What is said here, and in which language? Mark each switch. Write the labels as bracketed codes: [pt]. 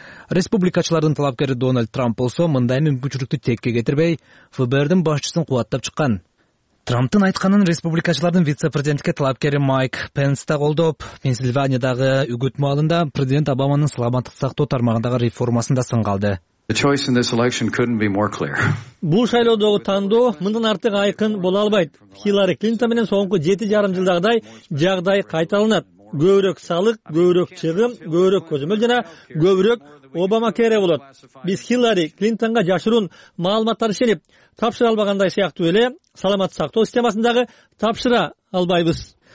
[ky] Республикачылардын талапкери Дональд Трамп болсо, мындай мүмкүнчүлүктү текке кетирбей, ФБРдин башчысын кууаттап чыккан. Трамптын айтканын республикачылардын вице-президентке талапкери Майк Пенс да колдоп, Пенсильваниядагы үгүт маалында президент Обаманын саламаттык сактоо тармагындагы реформасын да сынга алды. [en] The choice in this election couldn't be more clear. [ky] Бул шайлоодогу тандоо мындан артык айкын боло албайт. Хиллари Клинтон менен соңку 7.5 жылдагыдай жагдай кайталанат. Көбүрөк салык, көбүрөк чыгым, көбүрөк көзөмөл жана көбүрөк Обама кере болот. Биз Хиллари Клинтонго жашыруун маалыматтар ишенип, тапшыра албагандай сыяктуу эле саламат сактоо системасындагы тапшыра албайбыз.